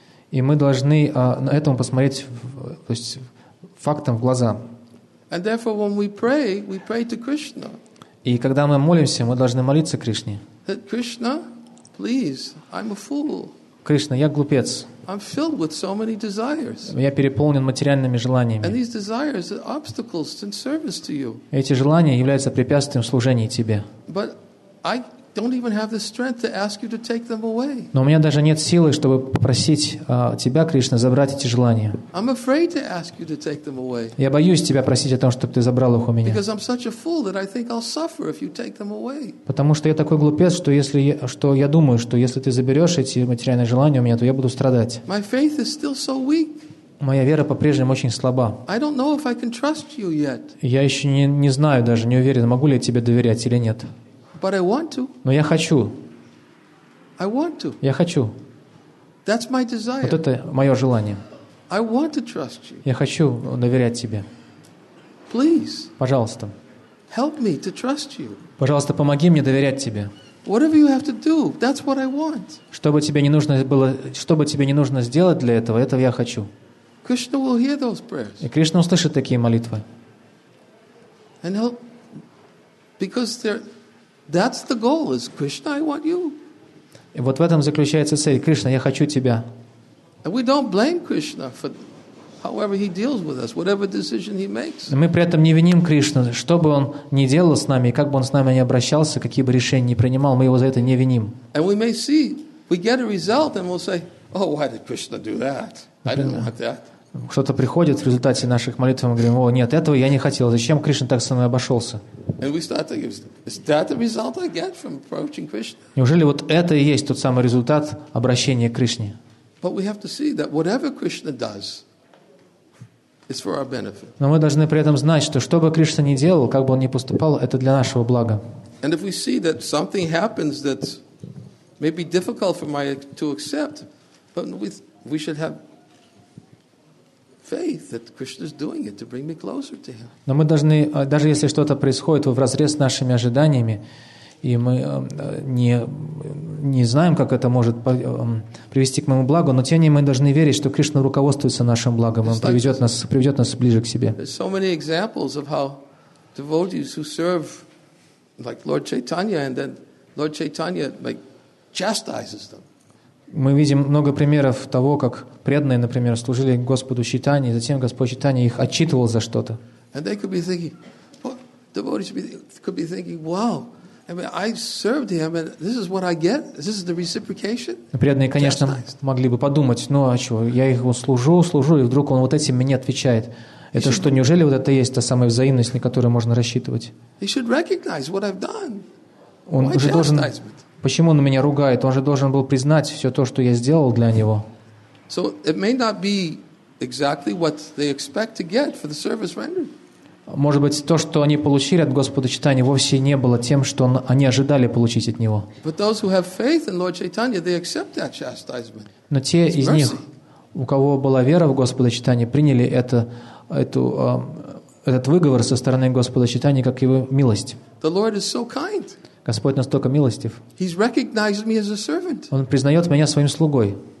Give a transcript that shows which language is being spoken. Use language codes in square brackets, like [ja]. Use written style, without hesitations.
[ru] И мы должны на этом посмотреть, то есть фактом в глаза. [en] And therefore, when we pray to Krishna. [ru] И когда мы молимся, мы должны молиться Кришне. [en] That Krishna, please, I'm a fool. [ru] Кришна, я глупец. [en] I'm filled with so many desires. [ru] Я переполнен материальными желаниями. [en] And these desires are obstacles in service to you. [ru] Эти желания являются препятствием в служении тебе. [en] But I don't even have the strength to ask you to take them away. [ru] Но у меня даже нет силы, чтобы попросить тебя, Кришна, забрать эти желания. [en] I'm afraid to ask you to take them away. [ru] Я боюсь тебя просить о том, чтобы ты забрал их у меня. [en] Because I'm such a fool that I think I'll suffer if you take them away. [ru] Потому что я такой глупец, что если что я думаю, что если ты заберешь эти материальные желания у меня, то я буду страдать. [en] My faith is still so weak. [ru] Моя вера по-прежнему очень слаба. [en] I don't know if I can trust you yet. [ru] Я еще не знаю даже, не уверен, могу ли я тебе доверять или нет. [en] But I want to. [ru] Но я хочу. [en] I want to. [ru] Я хочу. [en] That's my desire. [ru] Вот это мое желание. [en] I want to trust you. [ru] Я хочу доверять тебе. [en] Please. [ru] Пожалуйста. [en] Help me to trust you. [ru] Пожалуйста, помоги мне доверять тебе. [en] Whatever you have to do, that's what I want. [ru] Что бы тебе не нужно сделать для этого я хочу. [en] Krishna will hear those prayers. [ru] И Кришна услышит такие молитвы. [en] And he'll, because they're. That's the goal, is Krishna, I want you. [ru] И вот в этом заключается цель. Кришна, я хочу тебя. [en] And we don't blame Krishna for However he deals with us, whatever decision he makes. [ru] Мы при этом не виним Кришну, что бы он ни делал с нами, как бы он с нами ни обращался, какие бы решения ни принимал, мы его за это не виним. [en] And we may see, we get a result and we'll say, "Oh, why did Krishna do that? I didn't want that." [ru] Кто-то приходит в результате наших молитв и мы говорим: "О, нет, этого я не хотел. Зачем Кришна так со мной обошелся?" [en] And we start thinking, "Is that the result I get from approaching Krishna?" [ru] Неужели вот это и есть тот самый результат обращения к Кришне? [en] But we have to see that whatever Krishna does is for our benefit. [ru] Но мы должны при этом знать, что что бы Кришна ни делал, как бы он ни поступал, это для нашего блага. [en] And if we see that something happens that may be difficult for my to accept, but we should have faith that Krishna is doing it to bring me closer to him. [ru] Но мы должны, даже если что-то происходит вразрез с нашими ожиданиями, и мы не знаем, как это может привести к моему благу, но тем не менее мы должны верить, что Кришна руководствуется нашим благом, он приведет нас ближе к себе. [en] There's so many examples of how devotees who serve like Lord Chaitanya and then Lord Chaitanya like chastises them. [ru] Мы видим много примеров того, как преданные, например, служили Господу Чайтанье, и затем Господь Чайтанье их отчитывал за что-то. [en] And they could be thinking, devotees could be thinking, wow, I mean, I served him, and this is what I get? This is the reciprocation? [ru] Преданные, конечно, могли бы подумать, ну а что, я их служу, и вдруг он вот этим мне отвечает. Это что, неужели вот это есть та самая взаимность, на которую можно рассчитывать? [en] He should recognize what I've done. [ru] Он уже должен... Почему он меня ругает? Он же должен был признать все то, что я сделал для него. [en] So it may not be exactly what they expect to get for the service rendered. [ru] Может быть, то, что они получили от Господа Чайтанья, вовсе не было тем, что они ожидали получить от него. [en] But those who have faith in Lord Chaitanya, they accept that chastisement. [ru] Но те из них, у кого была вера в Господа Чайтанья, приняли этот выговор со стороны Господа Чайтанья как его милость. [en] The Lord is so kind. [ru] Господь настолько милостив. [en] He's recognized me as a servant. [ru] Он признает меня своим слугой.